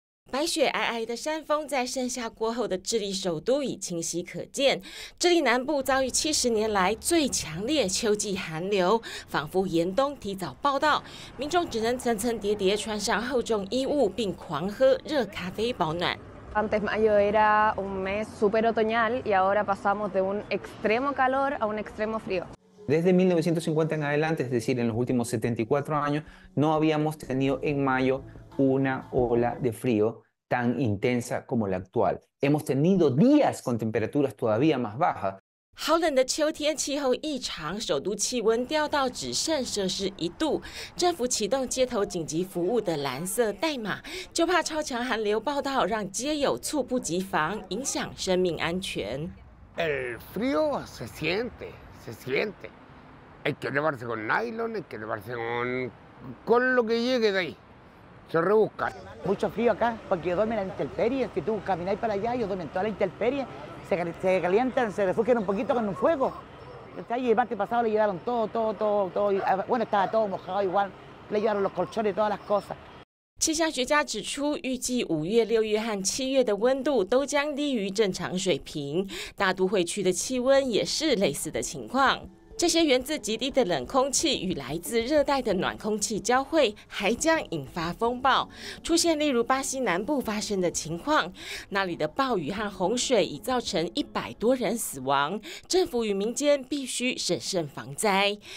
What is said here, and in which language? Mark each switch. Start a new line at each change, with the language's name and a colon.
Chinese: 白雪皑皑的山峰在盛夏过后的智利首都已清晰可见，智利南部遭遇70年来最强烈秋季寒流，仿佛严冬提早报到，民众只能层层叠叠穿上厚重衣物并狂喝热咖啡保暖。
Spanish: Antes mayo era un mes super otoñal y ahora pasamos de un extremo calor a un extremo frío。 Desde 1950 en adelante, es decir, en los últimos 74 años, no habíamos tenido en mayo una ola de frío tan intensa como la actual. Hemos tenido días con temperaturas todavía más bajas.
Chinese: 好冷的秋天气候异常，首都气温掉到只剩摄氏1度，政府启动街头紧急服务的蓝色代码，就怕超强寒流报道让街友猝不及防，影响生命安全。
Spanish: El frío se siente, se siente. Hay que llevarse con nylon, hay que llevarse con lo que llegue de ahí. Se rebusca. Mucho frío acá, porque yo duermo en la intemperie. Si tú caminas para allá, yo duermo en toda la intemperie. Se calientan, se refugian un poquito con un fuego. Y el martes pasado le llevaron todo. Bueno, estaba todo mojado igual. Le llevaron los colchones y todas las cosas.
Chinese: 气象学家指出，预计5月、6月和7月的温度都将低于正常水平，大都会区的气温也是类似的情况。这些源自极低的冷空气与来自热带的暖空气交汇，还将引发风暴，出现例如巴西南部发生的情况，那里的暴雨和洪水已造成100多人死亡，政府与民间必须审慎防灾。